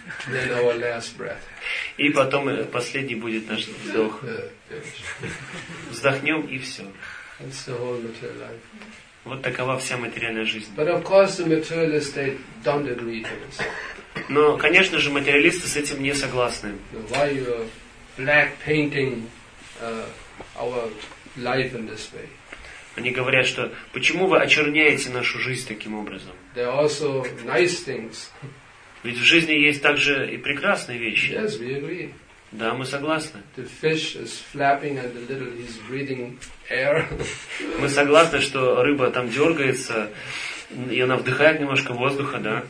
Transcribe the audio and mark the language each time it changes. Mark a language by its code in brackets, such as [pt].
[en] Then our last breath. [ru] И потом последний будет наш вдох. Вздохнем и все. [en] That's the whole material life. [ru] Вот такова вся материальная жизнь. [en] But of course the materialists, they don't agree to this. [ru] Но, конечно же, материалисты с этим не согласны. [en] Why you are black painting our life in this way? [ru] Они говорят, что почему вы очерняете нашу жизнь таким образом? [en] There are also nice things. [ru] Ведь в жизни есть также и прекрасные вещи. [en] Yes, we agree. [ru] Да, мы согласны. [en] The fish is flapping and the little he's breathing air. [ru] Мы согласны, что рыба там дергается, и она вдыхает немножко воздуха, да?